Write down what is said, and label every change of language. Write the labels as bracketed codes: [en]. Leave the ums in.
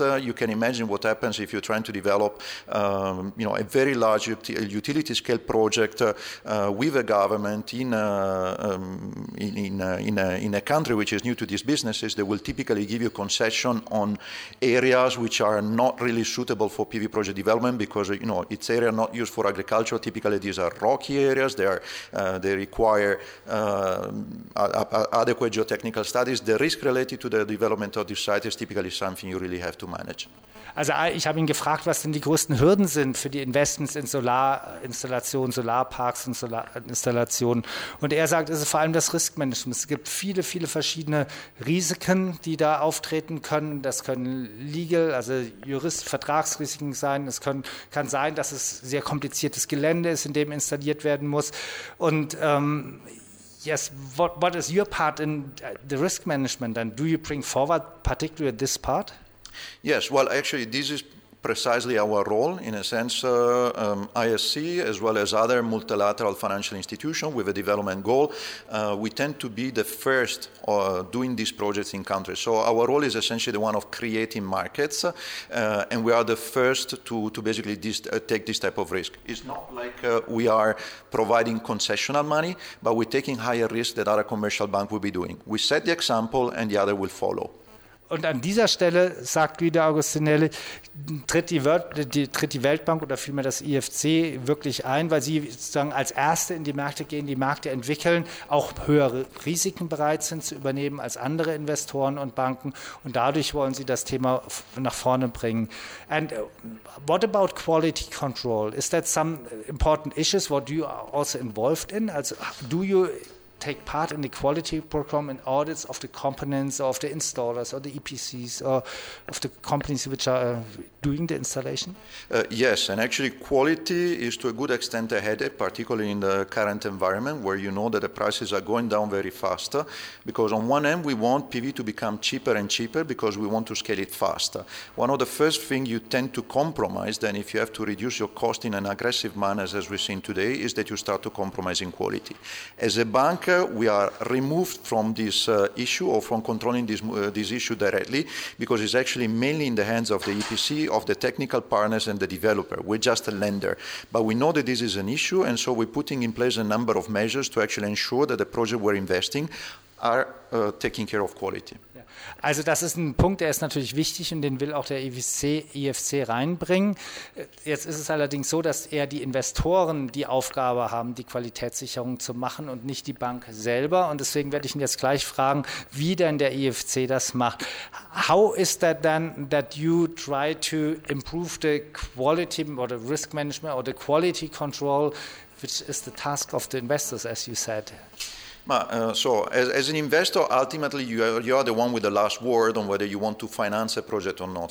[en] you can imagine what happens if you're trying to develop, um, you know, a very large utility scale project with a government in a, um, in, in, a, in, a, in a country which is new to these businesses, they will typically give you concession on areas which are not really suitable for PV project development because you know it's area not used for agriculture. Typically, these are rocky areas. They are uh, they require uh, adequate geotechnical studies. The risk related to the development of this site is typically something you really have to manage. [de] Also ich habe ihn gefragt, was denn die größten Hürden sind für die Investments in Solarinstallationen, Solarparks und Solarinstallationen. Und er sagt, es ist vor allem das Riskmanagement. Es gibt viele, viele verschiedene Risiken, die da auftreten können. Das können Legal, also Jurist, Vertragsrisiken sein. Es können, kann sein, dass es sehr kompliziertes Gelände ist, in dem installiert werden muss. [en] Und ähm, yes, what, what is your part in the risk management? And do you bring forward particularly this part? Yes, well, actually, this is precisely our role. In a sense, uh, um, ISC, as well as other multilateral financial institutions with a development goal, uh, we tend to be the first uh, doing these projects in countries. So our role is essentially the one of creating markets, and we are the first to, to basically this, take this type of risk. It's not like we are providing concessional money, but we're taking higher risk that other commercial bank will be doing. We set the example, and the other will follow. [de] Und an dieser Stelle, sagt Guido Augustinelli, tritt die, Welt, die, tritt die, Weltbank oder vielmehr das IFC wirklich ein, weil sie sozusagen als Erste in die Märkte gehen, die Märkte entwickeln, auch höhere Risiken bereit sind zu übernehmen als andere Investoren und Banken. Und dadurch wollen sie das Thema nach vorne bringen. [en] And what about quality control? Is that some important issues what you are also involved in? Also do you take part in the quality program and audits of the components of the installers or the EPCs or of the companies which are doing the installation? Uh, yes, and actually, quality is to a good extent a headache, particularly in the current environment where you know that the prices are going down very fast. Because on one end, we want PV to become cheaper and cheaper because we want to scale it faster. One of the first things you tend to compromise then, if you have to reduce your cost in an aggressive manner, as we've seen today, is that you start to compromise in quality. As a bank, we are removed from this uh, issue or from controlling this, uh, this issue directly because it's actually mainly in the hands of the EPC, of the technical partners, and the developer. We're just a lender. But we know that this is an issue, and so we're putting in place a number of measures to actually ensure that the project we're investing are uh, taking care of quality. [de] Also das ist ein Punkt, der ist natürlich wichtig und den will auch der IFC, IFC reinbringen. Jetzt ist es allerdings so, dass eher die Investoren die Aufgabe haben, die Qualitätssicherung zu machen und nicht die Bank selber. Und deswegen werde ich ihn jetzt gleich fragen, wie denn der IFC das macht. [en] How is that then that you try to improve the quality or the risk management or the quality control, which is the task of the investors, as you said? Uh, so, as, as, an investor, ultimately you are, you are, the one with the last word on whether you want to finance a project or not.